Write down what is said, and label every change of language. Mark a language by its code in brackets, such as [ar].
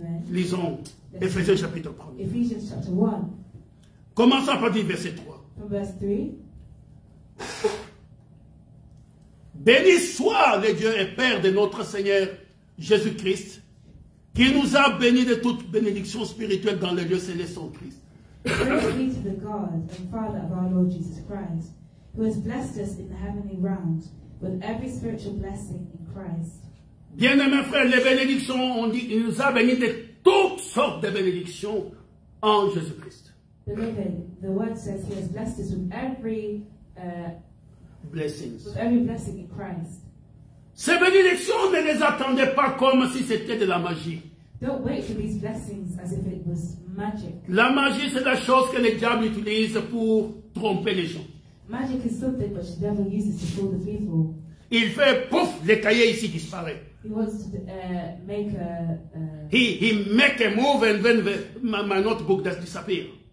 [fr] Lisons Ephésiens chapitre 1. Commençons par dire verset 3. Béni soit le Dieu et Père de notre Seigneur Jésus-Christ, qui nous a bénis de toute bénédiction spirituelle dans les lieux célestes en Christ. [en] Praise be to the God and Father of our Lord Jesus Christ, who has blessed us in the heavenly realms with every spiritual blessing in Christ. [fr] Bien-aimés frères, les bénédictions, on dit, il nous a bénis de toutes sortes de bénédictions en Jésus-Christ. [en] Beloved, the word says he has blessed us with every blessings. With every blessing in Christ. [fr] Ces bénédictions ne les attendaient pas comme si c'était de la magie. [en] Don't wait for these blessings as if it was magic. [fr] La magie, c'est la chose que le diable utilise pour tromper les gens. [en] Magic is something which the devil uses to fool the people. [fr] Il fait pouf, le cahier ici disparaît. [en] He wants to make a. He make a move and then my notebook does disappear.